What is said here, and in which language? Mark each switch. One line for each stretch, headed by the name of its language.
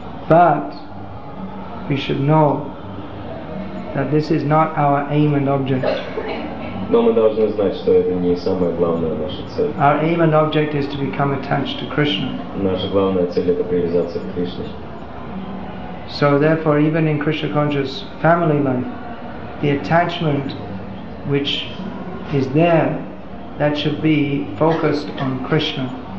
English: But we should know that this is not our aim and object.
Russian: Но мы должны знать, что это не самая главная наша цель.
English: Our aim and object is to become attached to Krishna.
Russian: Наша главная цель это привязаться к Кришне.
English: So therefore, even in Krishna conscious family life, the attachment which is there, that should be focused on Krishna.